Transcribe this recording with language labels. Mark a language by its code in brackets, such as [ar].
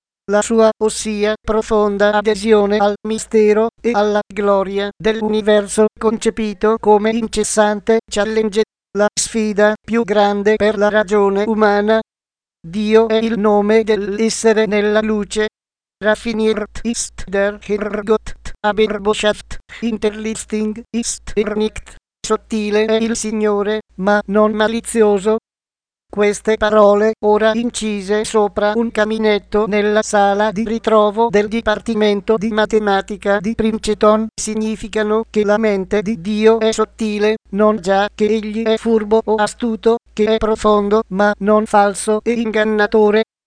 [it] La sua, ossia, profonda adesione al mistero e alla gloria dell'universo concepito come incessante challenge, la sfida più grande per la ragione umana. Dio è il nome dell'essere nella luce. [de] Raffiniert ist der Herrgott, aber boshaft, hinterlisting ist er nicht. [it] Sottile è il Signore, ma non malizioso. Queste parole, ora incise sopra un caminetto nella sala di ritrovo del Dipartimento di Matematica di Princeton, significano che la mente di Dio è sottile, non già che egli è furbo o astuto, che è profondo, ma non falso e ingannatore.